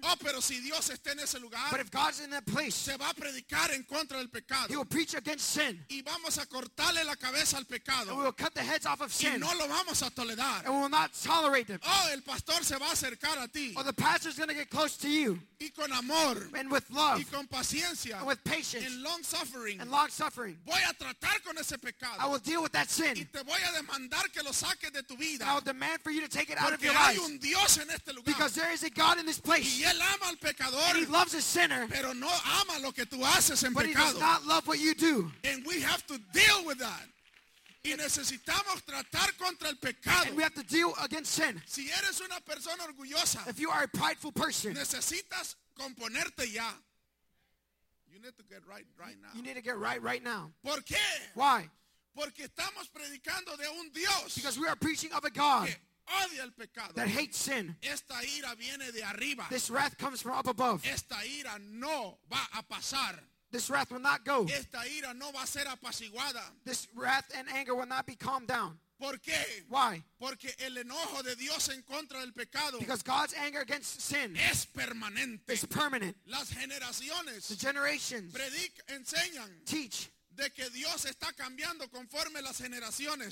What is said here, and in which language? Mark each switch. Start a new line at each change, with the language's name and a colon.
Spanish: oh, pero si Dios está en ese lugar,
English: but if God's in that place,
Spanish: se va a predicar en contra del pecado,
English: he will preach against sin,
Spanish: y vamos a cortarle la cabeza al pecado,
English: and we will cut the heads off of sin,
Spanish: y no lo vamos a tolerar,
English: and we will not tolerate them.
Spanish: Oh, el pastor se va a acercar a ti,
English: or the pastor is going to get close to you,
Spanish: y con amor,
English: and with love,
Spanish: y con paciencia,
English: and with patience, and long suffering, and long suffering.
Spanish: Voy a tratar con ese pecado.
English: I will deal with that sin.
Spanish: Y te voy a demandar que lo saques de tu vida.
English: I will demand for you to take it out of your life.
Spanish: Porque hay un Dios en este lugar.
English: Because there is a God in this place.
Spanish: Y él ama al pecador.
English: And he loves a sinner.
Spanish: Pero no ama lo que tú haces en pecado.
English: But he does not love what you do. And we have to deal with that.
Spanish: Y necesitamos tratar contra el pecado.
English: And we have to deal against sin.
Spanish: Si eres una persona orgullosa.
English: If you are a prideful person.
Spanish: Necesitas componerte ya.
English: You need to get right now. You need to get right now.
Spanish: ¿Por qué?
English: Why?
Spanish: Porque estamos predicando de un Dios.
English: Because we are preaching of a God.
Spanish: Odia el pecado.
English: That hates sin.
Spanish: Esta ira viene de arriba.
English: This wrath comes from up above.
Spanish: Esta ira no va a pasar.
English: This wrath will not go.
Spanish: Esta ira no va a ser apaciguada.
English: This wrath and anger will not be calmed down.
Spanish: ¿Por qué?
English: Why?
Spanish: Porque el enojo de Dios en contra del pecado.
English: Because God's anger against sin.
Spanish: Es permanente.
English: It's permanent.
Spanish: Las generaciones.
English: The generations.
Spanish: Enseñan.
English: Teach.
Spanish: De que Dios está cambiando conforme las generaciones.